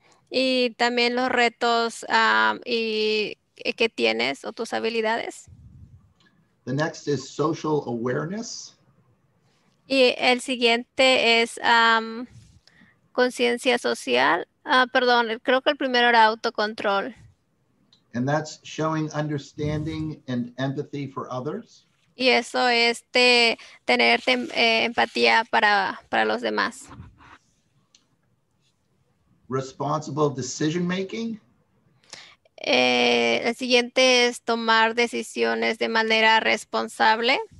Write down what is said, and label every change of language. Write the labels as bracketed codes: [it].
[es] Y también los retos y que tienes o tus habilidades. [en] The next is social awareness. [es] Y el siguiente es conciencia social, perdón, creo que el primero era autocontrol. [en] And that's showing understanding and empathy for others. [es] Y eso es tener empatía para los demás. [en] Responsible decision making. [es] El siguiente es tomar decisiones de manera responsable.